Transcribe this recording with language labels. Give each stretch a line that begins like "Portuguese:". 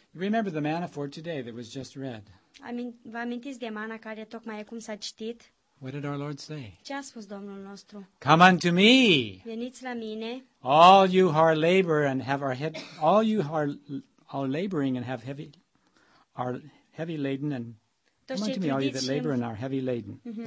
English: Remember the manna for today that was just read.
Romanian: Vă amintiți de mana care tocmai acum s-a citit?
English: What did our Lord say?
Romanian: Ce a spus Domnul nostru?
English: Come unto me.
Romanian: Veniți la mine.
English: All you who are labor and have our head, all you who are laboring and have heavy, are heavy laden and
Romanian: toți
English: come unto me, all you that labor and are heavy laden.